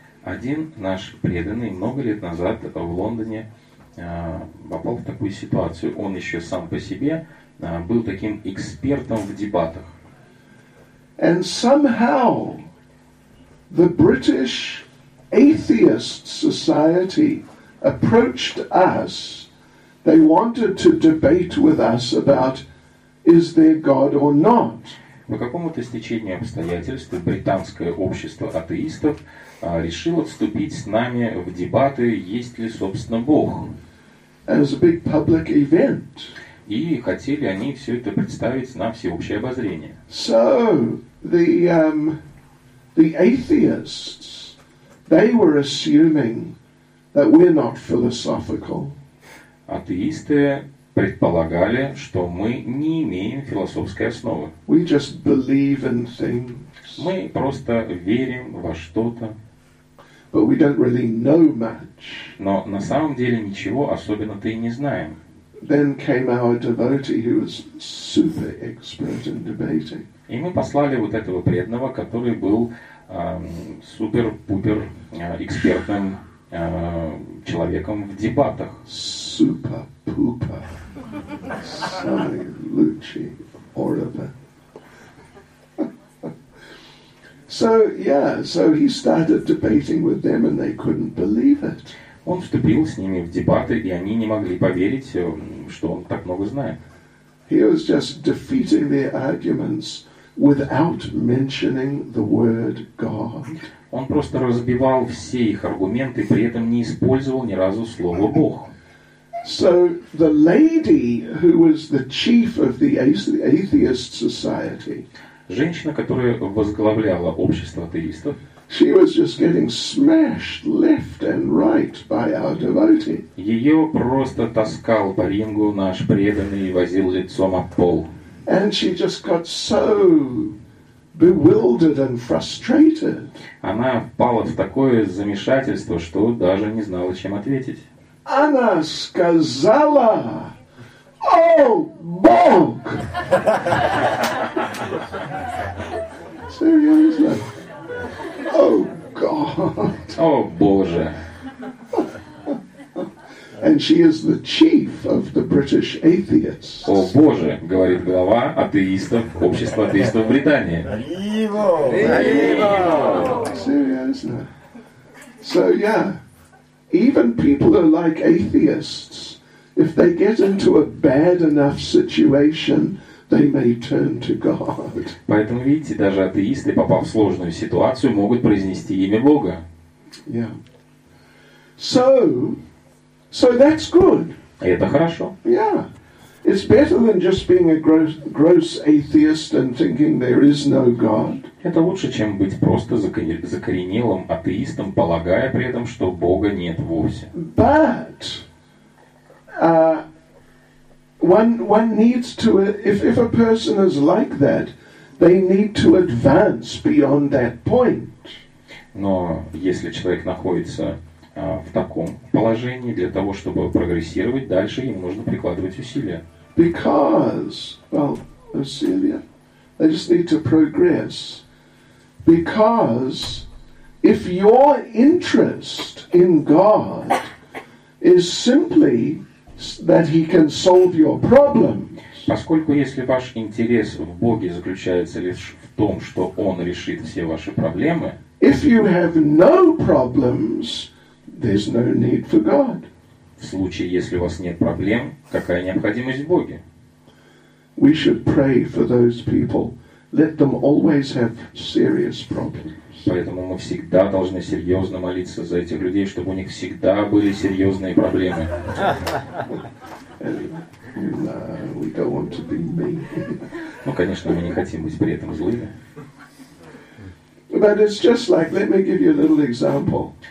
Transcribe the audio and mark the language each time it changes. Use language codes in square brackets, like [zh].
[ru] Один наш преданный много лет назад в Лондоне попал в такую ситуацию. Он еще сам по себе был таким экспертом в дебатах. [en] And somehow the British Atheist Society approached us. They wanted to debate with us about is there God or not. [ru] По какому-то стечению обстоятельств британское общество атеистов решило вступить с нами в дебаты, есть ли, собственно, Бог. [en] As a big public event. [ru] И хотели они все это представить на всеобщее обозрение. [en] So, the atheists, they were assuming that we're not philosophical. [ru] Атеисты предполагали, что мы не имеем философской основы. [en] We just believe in things. [ru] Мы просто верим во что-то. [en] But we don't really know much. [ru] Но на самом деле ничего особенно-то и не знаем. [en] Then came our devotee who was super expert in debating. [ru] И мы послали вот этого преданного, который был супер-пупер экспертным человеком в дебатах. Супер-пупер. Самый лучший оробер. [en] So he started debating with them, and they couldn't believe it. [ru] Он вступил с ними в дебаты, и они не могли поверить, что он так много знает. [en] He was just defeating their arguments without mentioning the word God. [ru] Он просто разбивал все их аргументы, при этом не использовал ни разу слово Бог. [en] So the lady who was the chief of the atheist society. [ru] Женщина, которая возглавляла общество атеистов, [en] she was just getting smashed left and right by our devotee. [ru] Ее просто таскал по рингу наш преданный и возил лицом об пол. [en] And she just got so bewildered and frustrated. [ru] Она впала в такое замешательство, что даже не знала, чем ответить. Она сказала: «О, Бог!» Серьезно? «О, Бог!» «О, Боже!» [en] And she is the chief of the British atheists. [ru] «О, Боже!» — говорит глава атеистов общества атеистов Британии. «Аливо! Аливо!» Серьезно? [en] So, yeah, even people are like atheists. If they get into a bad enough situation, they may turn to God. [ru] Поэтому, видите, даже атеисты, попав в сложную ситуацию, могут произнести имя Бога. [en] So that's good. [ru] Это хорошо. [en] Yeah. It's better than just being a gross atheist and thinking there is no God. [ru] Это лучше, чем быть просто закоренелым атеистом, полагая при этом, что Бога нет вовсе. [en] But one needs to, if a person is like that, they need to advance beyond that point. [ru] Но если человек находится в таком положении, для того, чтобы прогрессировать дальше, ему нужно прикладывать усилия. [en] Because, well, Celia, I just need to progress. Because if your interest in God is simply that he can solve your problems. [ru] Поскольку если ваш интерес в Боге заключается лишь в том, что он решит все ваши проблемы, [en] if you have no problems, there's no need for God. [ru] В случае, если у вас нет проблем, какая необходимость в Боге? [en] We should pray for those people. Let them always have serious problems. [ru] Поэтому мы всегда должны серьезно молиться за этих людей, чтобы у них всегда были серьезные проблемы. [en] We don't want to be mean. [ru] Ну, конечно, мы не хотим быть при этом злыми. [en] But it's just like, let me give you a little example.